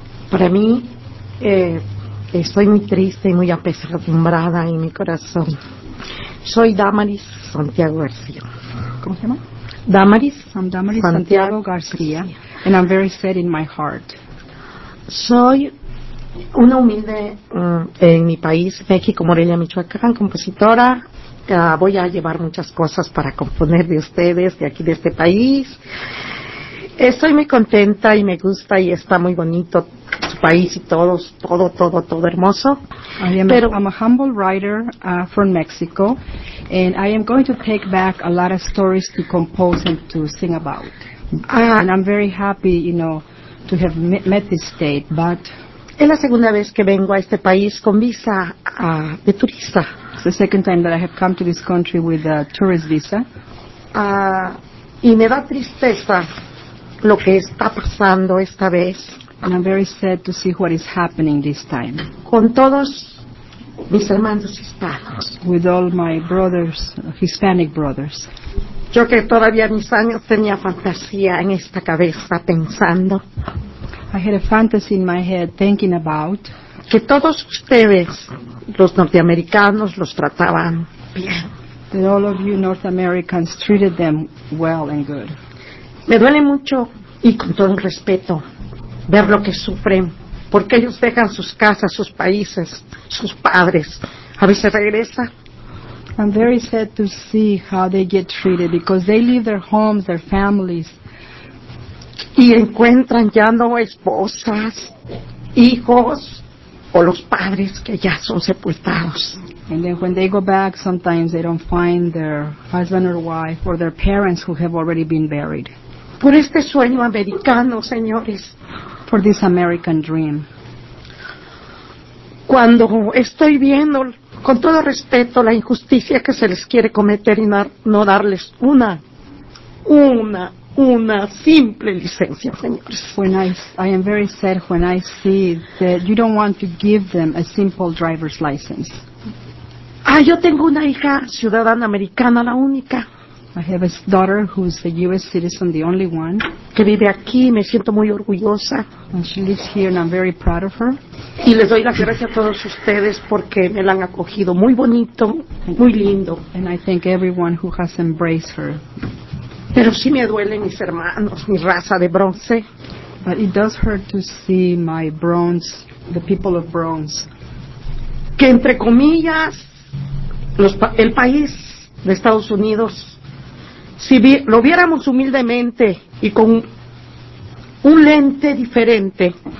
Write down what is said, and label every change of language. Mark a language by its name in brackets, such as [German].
[Spanish] Para mí, estoy muy triste y muy apesadumbrada en mi corazón. Soy Damaris Santiago García. [English] I'm Damaris Santiago García, and I'm very sad in my heart. [Spanish] Soy una humilde en mi país, México, Morelia, Michoacán, compositora. Voy a llevar muchas cosas para componer de ustedes, de aquí, de este país. Estoy muy contenta y me gusta y está muy bonito su país y todo hermoso. [English] I'm a humble writer from Mexico, and I am going to take back a lot of stories to compose and to sing about. And I'm very happy, you know, to have met this state, but... [Spanish] Es la segunda vez que vengo a este país con visa de turista. [English] It's the second time that I have come to this country with a tourist visa. [Spanish] Y me da tristeza lo que está pasando esta vez. [English] And I'm very sad to see what is happening this time. [Spanish] Con todos mis hermanos hispanos. [English] With all my brothers, Hispanic brothers. [Spanish] Yo que todavía mis años tenía fantasía en esta cabeza pensando. [English] I had a fantasy in my head thinking about. [Spanish] Que todos ustedes, los norteamericanos, los trataban bien. [English] That all of you North Americans treated them well and good. [Spanish] Me duele mucho y con todo el respeto ver lo que sufren, porque ellos dejan sus casas, sus países, sus padres. A veces regresa. [English] I'm very sad to see how they get treated because they leave their homes, their families. [Spanish] Y encuentran ya no esposas, hijos o los padres que ya son sepultados. [English] And then when they go back, sometimes they don't find their husband or wife or their parents who have already been buried. [Spanish] Por este sueño americano, señores. [English] For this American dream. [Spanish] Cuando estoy viendo, con todo respeto, la injusticia que se les quiere cometer y no darles una una simple licencia, señores. [English] When I am very sad when I see that you don't want to give them a simple driver's license. [Spanish] Ah, yo tengo una hija ciudadana americana, la única. [English] I have a daughter who's a U.S. citizen, the only one. [Spanish] Que vive aquí, me siento muy orgullosa. [English] And she lives here, and I'm very proud of her. [Spanish] Y les doy las gracias a todos ustedes porque me la han acogido muy bonito, muy lindo. [English] And I thank everyone who has embraced her. [Spanish] Pero sí me duelen mis hermanos, mi raza de bronce. [English] But it does hurt to see my bronze, the people of bronze. [Spanish] Que entre comillas, el país de Estados Unidos, si lo viéramos humildemente y con un lente diferente,